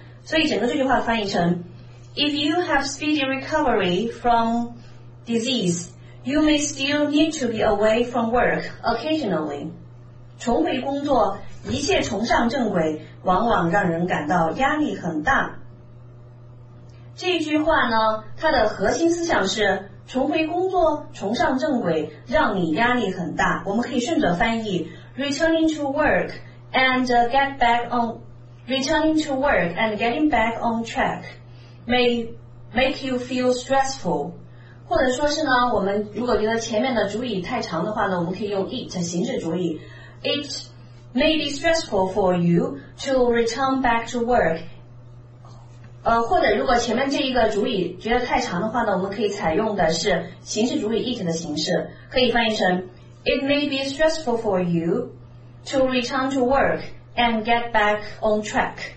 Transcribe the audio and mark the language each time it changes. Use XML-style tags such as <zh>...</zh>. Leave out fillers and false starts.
<zh>所以整个这句话翻译成</zh> <en>If you have speedy recovery from disease, you may still need to be away from work occasionally。</en> <zh>重回工作，一切重上正轨，往往让人感到压力很大。这句话呢，它的核心思想是重回工作，重上正轨，让你压力很大。我们可以顺着翻译</zh> <en>returning to work and getting back on track may make you feel stressful。</en> <zh>或者说是呢，我们如果觉得前面的主语太长的话呢，我们可以用 it 形式主语。</zh> <en>It may be stressful for you to return back to work。</en> <zh>或者如果前面这一个主语觉得太长的话呢，我们可以采用的是形式主语 it 的形式，可以翻译成</zh> <en>It may be stressful for you to return to work and get back on track。</en>